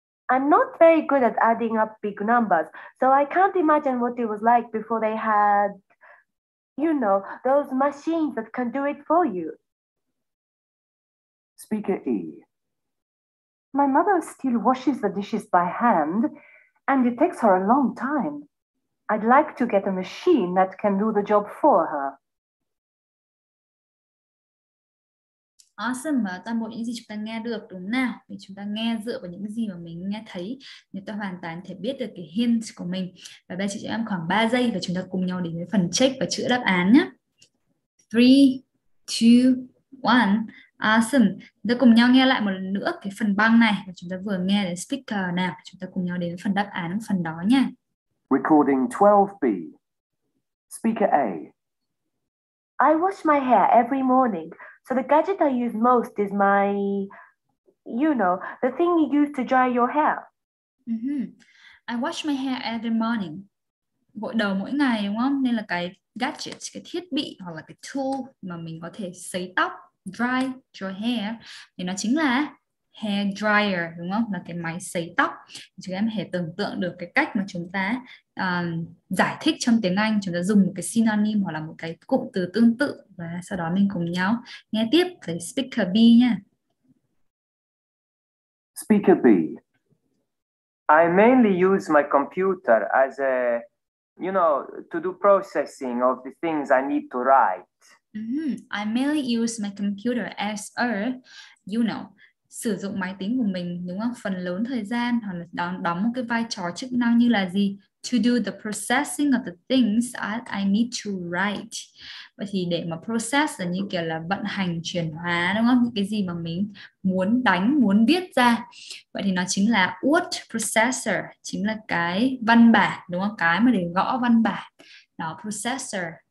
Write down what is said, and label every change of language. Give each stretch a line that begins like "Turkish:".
English: I'm not very good at adding up big numbers, so I can't imagine what it was like before they had, you know, those machines that can do it for you. Speaker E. My mother still washes the dishes by hand, and it takes her a long time. I'd like to get a machine that can do the job for her.
Vietnamese: Awesome, mà toàn bộ những gì chúng ta nghe được đúng nào? Vì chúng ta nghe dựa vào những gì mà mình nghe thấy, chúng ta hoàn toàn thể biết được cái hint của mình. Và bây giờ chị em khoảng 3 giây và chúng ta cùng nhau đến với phần check và chữa đáp án nhé. 3, 2, 1, awesome. Chúng ta cùng nhau nghe lại một lần nữa cái phần băng này và chúng ta vừa nghe cái speaker nào. Chúng ta cùng nhau đến với phần đáp án phần đó nha.
English: Recording 12B. Speaker A. I wash my hair every morning, so the gadget I use most is my, you know, the thing you use to dry your hair. Mm-hmm. I wash my hair every morning.
Vietnamese: Gội đầu mỗi ngày đúng không? Nên là cái gadget, cái thiết bị hoặc là cái tool mà mình có thể sấy tóc,
English: dry your hair,
Vietnamese: thì nó chính là hair dryer đúng không? Là cái máy sấy tóc. Chúng em hãy tưởng tượng được cái cách mà chúng ta giải thích trong tiếng Anh, chúng ta dùng một cái synonym hoặc là một cái cụm từ tương tự và sau đó mình cùng nhau nghe tiếp với speaker B nha.
English: Speaker B. I mainly use my computer as a, you know, to do processing of the things I need to write. Mm-hmm. I mainly use my computer as a, you know,
Vietnamese: sử dụng máy tính của mình đúng không? Phần lớn thời gian hoặc là đóng một cái vai trò chức năng như là gì?
English: To do the processing of the things I need to write.
Vietnamese: Vậy thì để mà process là như kiểu là vận hành, chuyển hóa đúng không? Những cái gì mà mình muốn đánh, muốn viết ra. Vậy thì nó chính là word processor, chính là cái văn bản đúng không? Cái mà để gõ văn bản. Đó, processor.